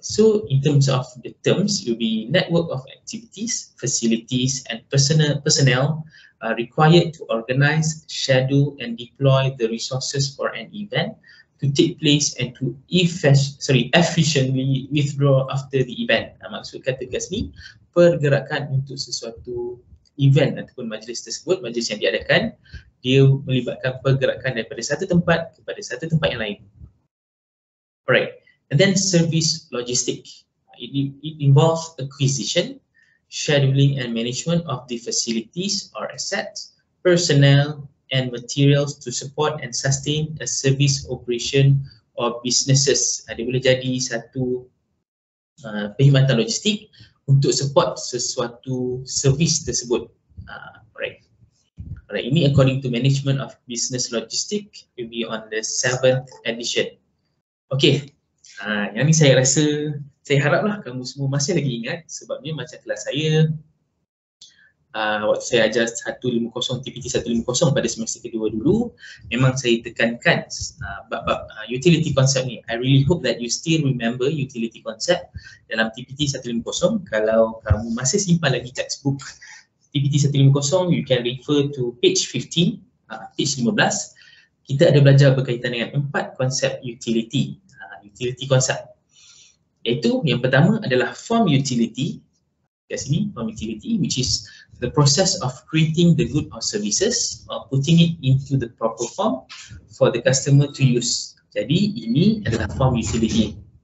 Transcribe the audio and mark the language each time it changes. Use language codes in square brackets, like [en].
[en] So in terms of the terms, it will be network of activities, facilities and personnel required to organize, schedule and deploy the resources for an event to take place and to efficiently withdraw after the event. [ms] Maksud kata kat sini, pergerakan untuk sesuatu event ataupun majlis tersebut, majlis yang diadakan, dia melibatkan pergerakan daripada satu tempat kepada satu tempat yang lain. [en] Alright, and then service logistic. It involves acquisition, scheduling and management of the facilities or assets, personnel and materials to support and sustain a service operation or businesses. [ms] Dia boleh jadi satu perkhidmatan logistik untuk support sesuatu service tersebut. [en] Alright. Ini according to management of business logistic will be on the 7th edition. Okay. [ms] Yang ni saya rasa, saya haraplah kamu semua masih lagi ingat sebabnya macam kelas saya, waktu saya ajar 150, TPT 150 pada semester kedua dulu, memang saya tekankan bab-bab utility concept ni. [en] I really hope that you still remember utility concept dalam TPT 150. [ms] Kalau kamu masih simpan lagi textbook TPT 150, [en] you can refer to page 15, [ms] page 15. Kita ada belajar berkaitan dengan empat konsep utility. Utility concept, iaitu yang pertama adalah form utility. Kat sini, [en] form utility, which is the process of creating the good or services or putting it into the proper form for the customer to use. [ms] Jadi, ini adalah form utility.